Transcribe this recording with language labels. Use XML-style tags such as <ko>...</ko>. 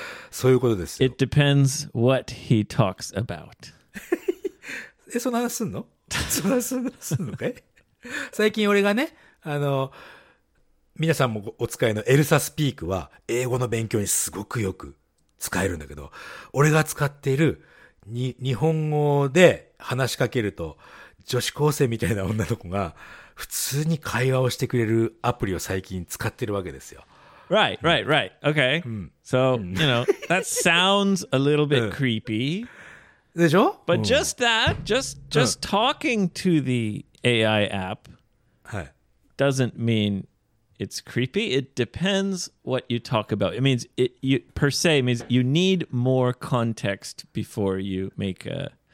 <ja>そういうことですよ。</ja> <en>It depends what he talks about.</en> <ja>え、その話すんの？その話すんのかい？最近俺がね、皆さんもお使いのエルサスピークは英語の勉強にすごくよく使えるんだけど、俺が使っているに日本語で話しかけると女子高生みたいな女の子が普通に会話をしてくれるアプリを最近使ってるわけですよ。</ja> <en>Right, right, right. Okay. So, you know, that sounds a little bit creepy.</en> <ja>でしょ?</ja> <en>But just that, just talking to the AI app doesn't mean it's creepy. It depends what you talk about. It means, per se, means you need more context before you make a...</en>